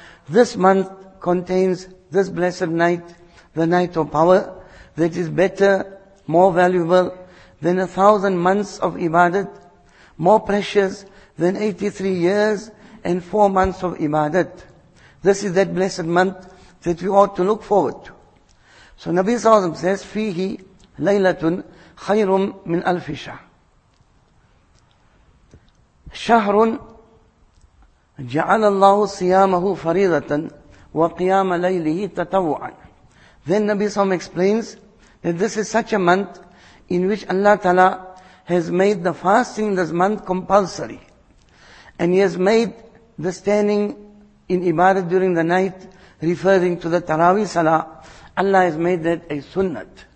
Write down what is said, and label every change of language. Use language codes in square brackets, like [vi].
[en] This month contains this blessed night, the night of power, that is better, more valuable than 1,000 months of ibadat, more precious than 83 years and 4 months of ibadat. This is that blessed month that we ought to look forward to. So Nabi Sallallahu Alaihi Wasallam says, [ar] فِيهِ لَيْلَةٌ خَيْرٌ مِّنْ أَلْفِ شَهْرٍ شَهْرٌ جَعَلَ اللَّهُ صِيَامَهُ فَرِيضَةً وَقِيَامَ لَيْلِهِ تَتَوُعًا. [en] Then Nabi Sallam explains that this is such a month in which Allah Ta'ala has made the fasting this month compulsory. And He has made the standing in ibadah during the night, referring to the Taraweeh Salah, Allah has made that a sunnat.